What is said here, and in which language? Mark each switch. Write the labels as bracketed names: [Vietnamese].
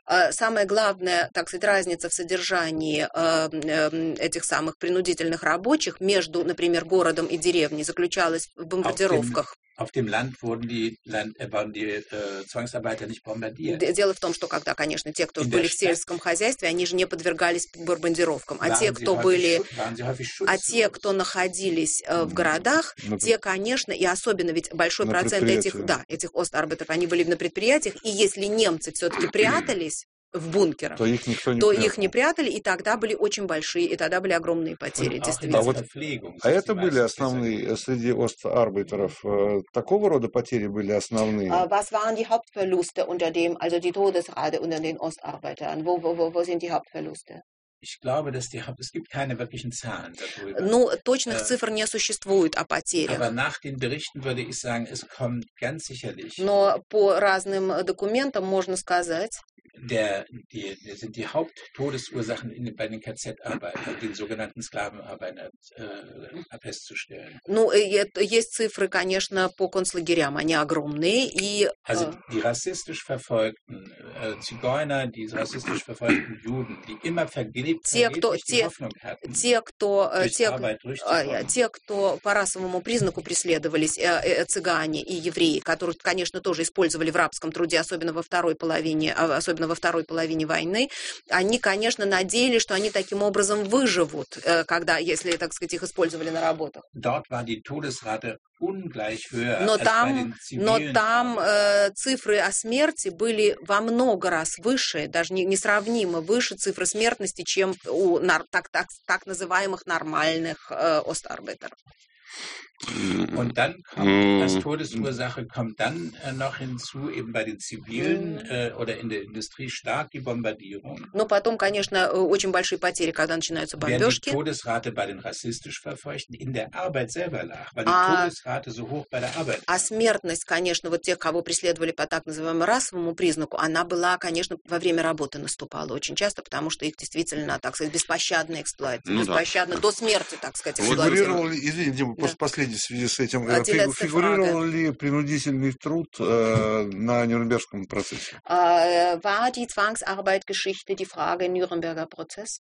[Russian] Самая главная, так сказать, разница в содержании этих самых принудительных рабочих между, например, городом и деревней заключалась в бомбардировках. [German] Auf dem Land wurden die Zwangsarbeiter nicht bombardiert. [Russian] Дело в том, что когда, конечно, те, кто были в сельском хозяйстве, они же не подвергались бомбардировкам. А те, кто находились в городах, те, конечно, и особенно, ведь большой процент этих остарбайтеров, они были на предприятиях, и если немцы все-таки прятались в бункерах, то их не прятали, и тогда были очень большие, и тогда были огромные потери, действительно. А это были основные среди остарбайтеров? Такого рода потери были основные? [German] Was waren die Hauptverluste unter dem, also die Todesrate unter den Ostarbeitern? Wo sind die Hauptverluste? Ich glaube, dass die es gibt keine wirklichen Zahlen darüber. [Russian] Ну, точных цифр не существует о потерях. [German] Aber nach den Berichten würde ich sagen, es kommt ganz sicherlich. [Russian] Но по разным документам можно сказать. [German] Die sind die Haupttodesursachen bei den KZ-Arbeitern, den sogenannten Sklavenarbeitern festzustellen. [Russian] Ну, есть цифры, конечно, по концлагерям, они огромные. [German] Also die rassistisch verfolgten Zigeuner, die rassistisch verfolgten Juden, die immer vergeblich die Hoffnung hatten, [Russian] те, кто по расовому признаку преследовались, цыгане и евреи, которые, конечно, тоже использовали в рабском труде, особенно во второй половине, особенно во второй половине войны, они, конечно, надеялись, что они таким образом выживут, когда, если, так сказать, их использовали на работах. Но там цифры о смерти были во много раз выше, даже несравнимо выше цифры смертности, чем у так называемых нормальных остарбайтеров. [German] Und dann kommt als Todesursache kommt dann noch hinzu eben bei den zivilen oder in der Industrie stark die Bombardierung. [Russian] Но потом, конечно, очень большие потери, когда начинаются бомбежки. [German] Die Todesrate bei den rassistisch Verfolgten in der Arbeit selber lag, weil die Todesrate so hoch bei der Arbeit. [Russian] А смертность, конечно, вот тех, кого преследовали по так называемому расовому признаку, она была, конечно, во время работы наступала очень часто, потому что их действительно, так сказать, беспощадно эксплуатировали, беспощадно до смерти, так сказать, эксплуатировали. Извините, последний в связи с этим. Фигурировал ли принудительный труд на Нюрнбергском процессе? [German] War die Zwangsarbeitgeschichte die Frage im Nürnberger Prozess?